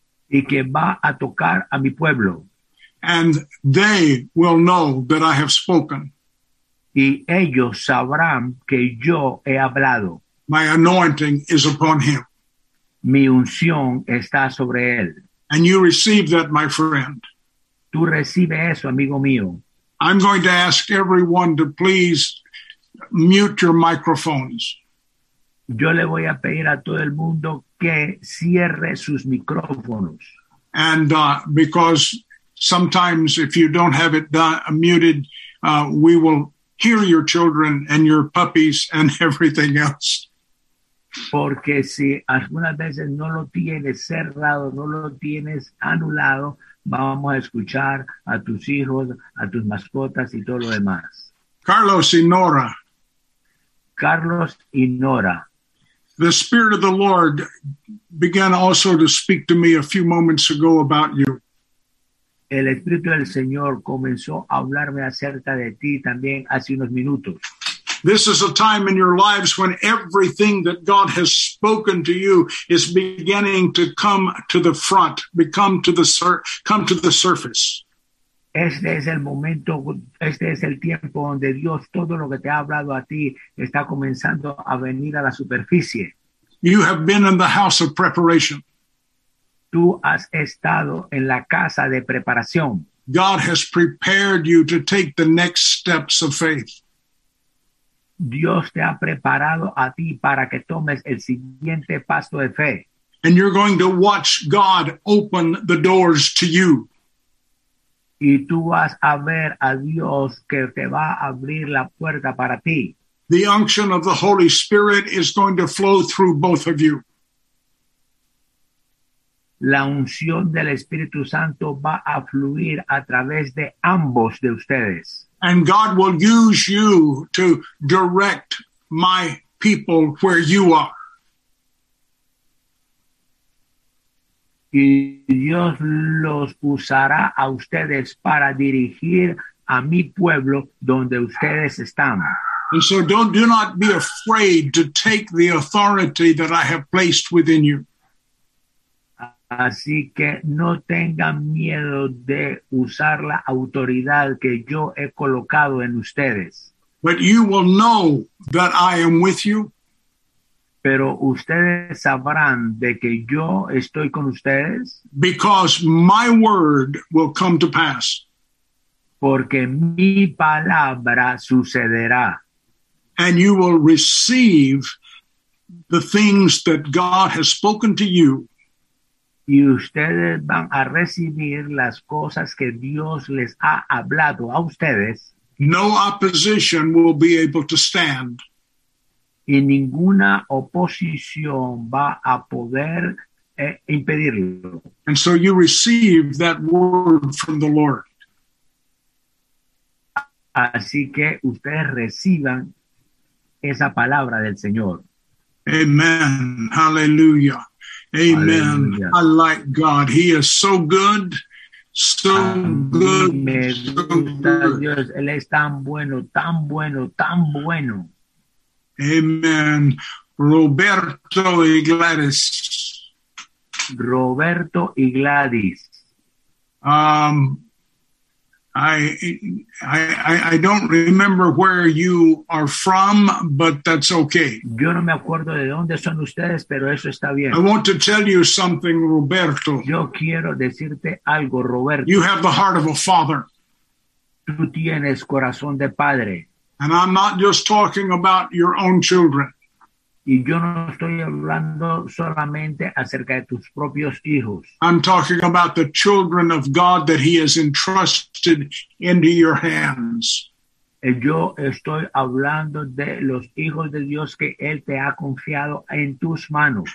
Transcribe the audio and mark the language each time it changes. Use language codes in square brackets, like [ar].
[es] Y que va a tocar a mi pueblo. [en] And they will know that I have spoken. [es] Y ellos sabrán que yo he hablado. [en] My anointing is upon him. [es] Mi unción está sobre él. [en] And you receive that, my friend. [es] Tú recibe eso, amigo mío. [en] I'm going to ask everyone to please mute your microphones. [es] Yo le voy a pedir a todo el mundo que cierre sus micrófonos. [en] And because sometimes if you don't have it muted, we will hear your children and your puppies and everything else. [es] Porque si algunas veces no lo tienes cerrado, no lo tienes anulado, vamos a escuchar a tus hijos, a tus mascotas y todo lo demás. Carlos y Nora. Carlos y Nora. [en] The Spirit of the Lord began also to speak to me a few moments ago about you. [es] El Espíritu del Señor comenzó a hablarme acerca de ti también hace unos minutos. [en] This is a time in your lives when everything that God has spoken to you is beginning to come to the front, come to the surface. [es] Este es el momento, este es el tiempo donde Dios, todo lo que te ha hablado a ti, está comenzando a venir a la superficie. [en] You have been in the house of preparation. [es] Tú has estado en la casa de preparación. [en] God has prepared you to take the next steps of faith. [es] Dios te ha preparado a ti para que tomes el siguiente paso de fe. [en] And you're going to watch God open the doors to you. [es] Y tú vas a ver a Dios que te va a abrir la puerta para ti. [en] The unction of the Holy Spirit is going to flow through both of you. [es] La unción del Espíritu Santo va a fluir a través de ambos de ustedes. [en] And God will use you to direct my people where you are. [es] Y Dios los usará a ustedes para dirigir a mi pueblo donde ustedes están. [en] And so do not be afraid to take the authority that I have placed within you. [es] Así que no tengan miedo de usar la autoridad que yo he colocado en ustedes. [en] But you will know that I am with you. [es] Pero ustedes sabrán de que yo estoy con ustedes. [en] Because my word will come to pass. [es] Porque mi palabra sucederá. [en] And you will receive the things that God has spoken to you. [es] Y ustedes van a recibir las cosas que Dios les ha hablado a ustedes. [en] No opposition will be able to stand. [es] Y ninguna oposición va a poder impedirlo. [en] And so you receive that word from the Lord. [es] Así que ustedes reciban esa palabra del Señor. [en] Amen. Hallelujah. Amen. Hallelujah. I like God. He is so good. So good. [es] Me gusta Dios. Él es tan bueno, tan bueno, tan bueno. Amen. Roberto y Gladys. Hola. Roberto y Gladys. [en] I don't remember where you are from, but that's okay. [es] Yo no me acuerdo de dónde son ustedes, pero eso está bien. [en] I want to tell you something, Roberto. [es] Yo quiero decirte algo, Roberto. [en] You have the heart of a father. [es] Tú tienes corazón de padre. [en] And I'm not just talking about your own children. [es] Y yo no estoy hablando solamente acerca de tus propios hijos. [en] I'm talking about the children of God that he has entrusted into your hands. [es] Y yo estoy hablando de los hijos de Dios que él te ha confiado en tus manos.